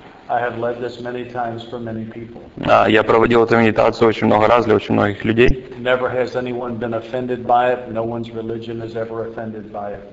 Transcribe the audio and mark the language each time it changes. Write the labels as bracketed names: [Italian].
[English] I have led this many times for many people. [Russian] Я проводил эту медитацию очень много раз для очень многих людей. [English] Never has anyone been offended by it. No one's religion has ever offended by it.